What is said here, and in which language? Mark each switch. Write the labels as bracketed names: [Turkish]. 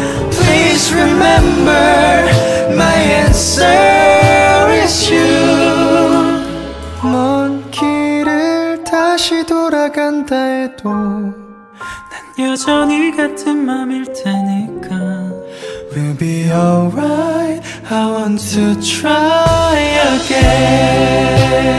[English] Please remember my answer is you. [Korean] 먼 길을 다시 돌아간다 해도 난 여전히 같은 맘일 테니까. [English] We'll be alright, I want to try again.